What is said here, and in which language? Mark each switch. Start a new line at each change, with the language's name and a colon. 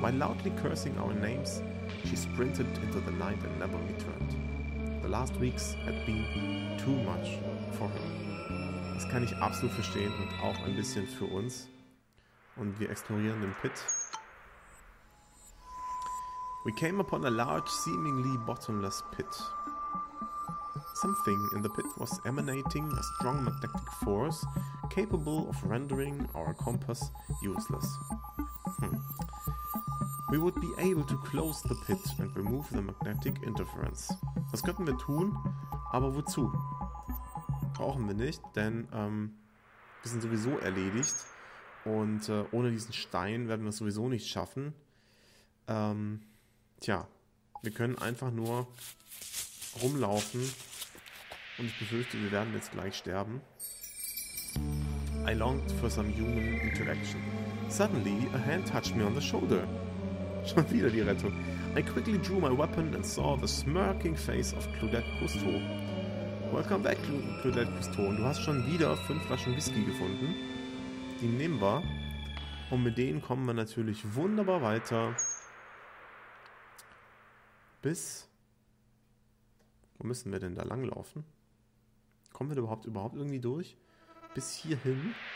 English: While loudly cursing our names, she sprinted into the night and never returned. The last weeks had been too much for her.
German: Das kann ich absolut verstehen und auch ein bisschen für uns. Und wir explorieren den Pit.
English: We came upon a large, seemingly bottomless pit. Something in the pit was emanating a strong magnetic force capable of rendering our compass useless. We would be able to close the pit and remove the magnetic interference.
German: Das könnten wir tun, aber wozu? Brauchen wir nicht, denn wir sind sowieso erledigt und ohne diesen Stein werden wir es sowieso nicht schaffen. Tja, wir können einfach nur rumlaufen und ich befürchte, wir werden jetzt gleich sterben.
English: I longed for some human interaction. Suddenly, a hand touched me on the shoulder.
German: Schon wieder die Rettung.
English: I quickly drew my weapon and saw the smirking face of Claudette Cousteau. Welcome back, Claudette Cousteau.
German: Und du hast schon wieder 5 Flaschen Whisky gefunden. Die nehmen wir. Und mit denen kommen wir natürlich wunderbar weiter. Bis Wo müssen wir denn da langlaufen? Kommen wir da überhaupt irgendwie durch? Bis hierhin?